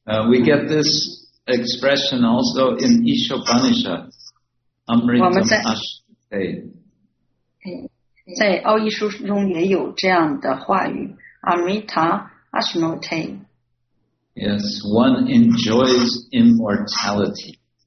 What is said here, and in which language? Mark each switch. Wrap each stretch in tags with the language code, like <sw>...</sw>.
<en>We get this expression also in Ishopanishad.</en> <sa>Amritam Ashnute.</sa> <zh>在奥义书中也有这样的话语</zh> <sa>Amrita Ashnute.</sa> <en>Yes, one enjoys immortality.</en>